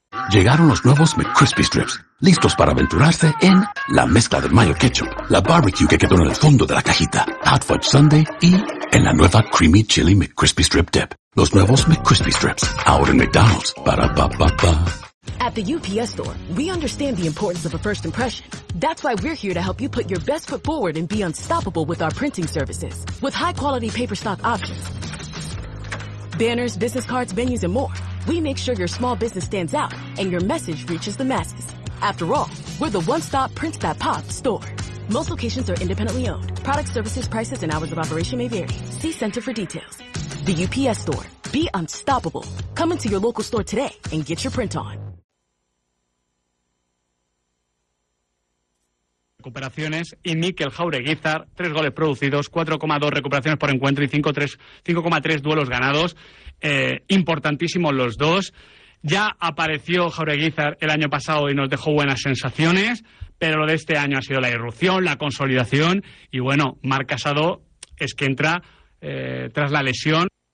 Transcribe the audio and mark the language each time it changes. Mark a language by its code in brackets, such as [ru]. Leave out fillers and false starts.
[es] Llegaron los nuevos McCrispy Strips, listos para aventurarse en la mezcla del mayo ketchup, la barbecue que quedó en el fondo de la cajita, Hot Fudge Sundae y en la nueva Creamy Chili McCrispy Strip Dip. Los nuevos McCrispy Strips, ahora en McDonald's. Ba-da-ba-ba-ba. [en] At the UPS store, we understand the importance of a first impression. That's why we're here to help you put your best foot forward and be unstoppable with our printing services. With high-quality paper stock options, banners, business cards, venues, and more. We make sure your small business stands out and your message reaches the masses. After all, we're the one-stop print-that-pop store. Most locations are independently owned. Product services, prices, and hours of operation may vary. See center for details. The UPS store. Be unstoppable. Come into your local store today and get your print on. [es] recuperaciones, y Mikel Jaureguizar, 3 goles producidos, 4,2 recuperaciones por encuentro y 5,3 duelos ganados. Importantísimos los dos. Ya apareció Jaureguizar el año pasado y nos dejó buenas sensaciones, pero lo de este año ha sido la irrupción, la consolidación, y bueno, Marc Casado es que entra tras la lesión.